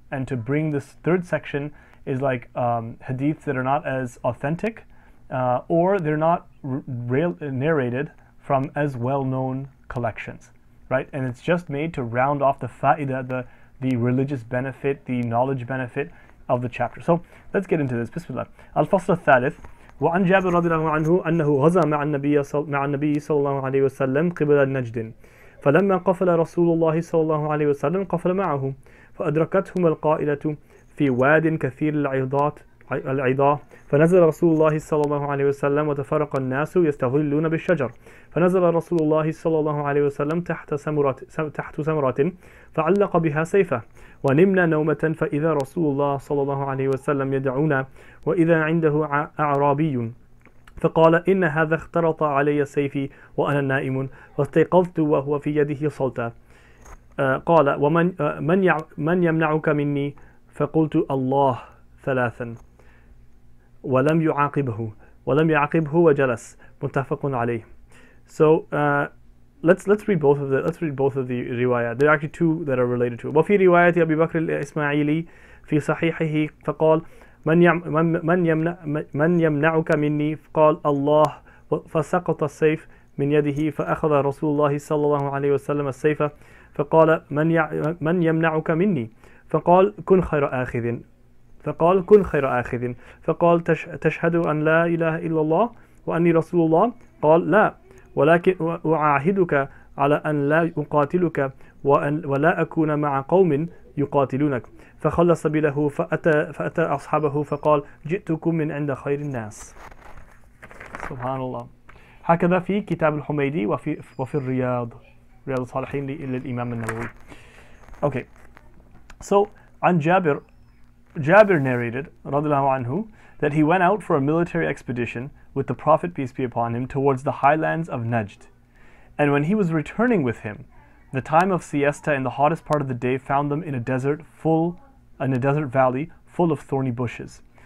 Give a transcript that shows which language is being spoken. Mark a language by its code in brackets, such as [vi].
[en] And to bring this third section is like hadiths that are not as authentic or they're not narrated from as well-known collections, right? And it's just made to round off the fa'idah, the religious benefit, the knowledge benefit of the chapter. So let's get into this. Bismillah. Al-Fasl al-Thalith. [ar] وعن جابر رضي الله عنه أنه غزا مع النبي صلى الله عليه وسلم قبل النجد فلما قفل رسول الله صلى الله عليه وسلم قفل معه فأدركتهم القائلة في واد كثير العظاة فنزل رسول الله صلى الله عليه وسلم وتفرق الناس يستظلون بالشجر فنزل رسول الله صلى الله عليه وسلم تحت سمرة فعلق بها سيفه ونمنا نومة فإذا رسول الله صلى الله عليه وسلم يدعونا وإذا عنده أعرابي فقال إن هذا اخترط علي سيفي وأنا نائم فاستيقظت وهو في يده صلتا قال ومن يمنعك مني فقلت الله ثلاثا ولم يعاقبه وجلس متفق عليه. [en] So let's read both of the riwayat. There are actually two that are related to it. [ar] وفي رواية أبي بكر الإسماعيلي في صحيحه فقال من يمنعك مني قال الله فسقط السيف من يده فأخذ رسول الله صلى الله عليه وسلم السيف فقال من يمنعك مني فقال كن خير آخذ فقال كن خير آخذ فقال تشهد أن لا إله إلا الله وأني رسول الله قال لا ولكن أعاهدك على أن لا أقاتلك ولا أكون مع قوم يقاتلونك فخلى سبيله فأتى أصحابه فقال جئتكم من عند خير الناس سبحان الله هكذا في كتاب الحميدي وفي الرياض رياض الصالحين للإمام النووي. [en] Okay, so [ar] عن جابر. [en] Jabir narrated, radiallahu anhu, that he went out for a military expedition with the Prophet, peace be upon him, towards the highlands of Najd. And when he was returning with him, the time of siesta in the hottest part of the day found them in a desert valley full of thorny bushes.